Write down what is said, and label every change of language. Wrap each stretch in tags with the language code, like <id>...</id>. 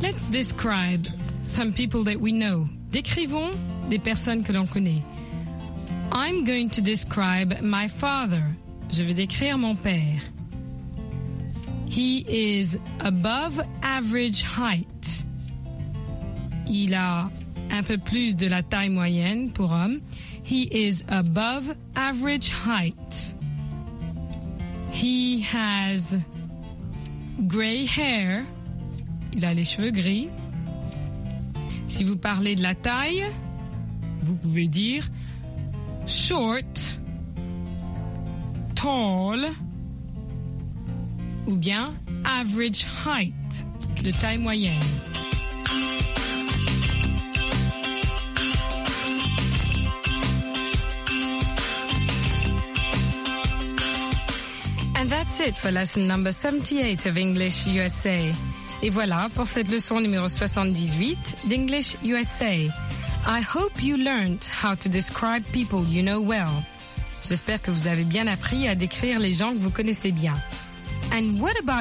<en>Describe some people that we know.</en> <fr>Décrivons des personnes que l'on connaît.</fr> <en>I'm going to describe my father.</en> <fr>Je vais décrire mon père.</fr> <en>He is above average height.</en> <fr>Il a un peu plus de la taille moyenne pour homme.</fr> <en>He is above average height. He has gray hair.</en> <fr>Il a les cheveux gris. Si vous parlez de la taille, vous pouvez dire short, tall, ou bien average height, de taille moyenne.</fr> <en>And that's it for lesson number 78 of English USA.</en> <fr>Et voilà pour cette leçon numéro 78 d'English USA.</fr> <en>I hope you learned how to describe people you know well.</en> <fr>J'espère que vous avez bien appris à décrire les gens que vous connaissez bien.</fr> <en>And what about you?</en>